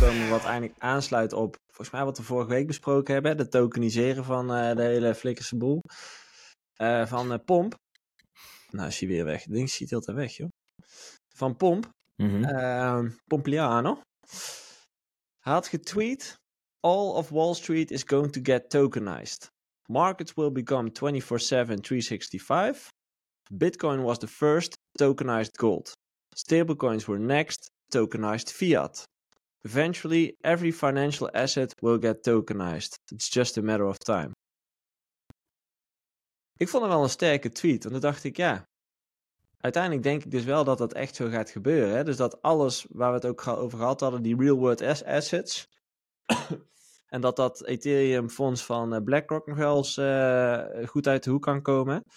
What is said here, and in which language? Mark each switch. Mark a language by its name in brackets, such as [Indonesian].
[Dutch] Wat eigenlijk aansluit op, volgens mij wat we vorige week besproken hebben, de tokeniseren van de hele flikkerse boel. Van Pomp. Nou is hij weer weg. Ding ziet heel te weg, joh. Van Pomp. Mm-hmm. Pompliano. Had getweet, [English] all of Wall Street is going to get tokenized. Markets will become 24/7 365. Bitcoin was the first tokenized gold. Stablecoins were next tokenized fiat. Eventually, every financial asset will get tokenized. It's just a matter of time. [Dutch] Ik vond het wel een sterke tweet. Want dan dacht ik, ja, uiteindelijk denk ik dus wel dat dat echt zo gaat gebeuren. Hè? Dus dat alles waar we het ook over gehad hadden, die real world assets. En dat Ethereum fonds van BlackRock nog wel eens goed uit de hoek kan komen.